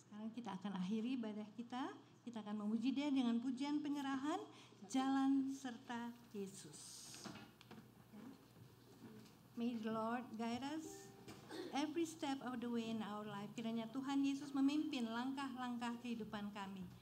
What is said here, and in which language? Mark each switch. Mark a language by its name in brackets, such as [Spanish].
[Indonesian] kita akan akhiri ibadah kita. Kita akan memuji Dia dengan pujian penyerahan Jalan Serta Yesus. [English] May the Lord guide us every step of the way in our life. [Indonesian] Kiranya Tuhan Yesus memimpin langkah-langkah kehidupan kami.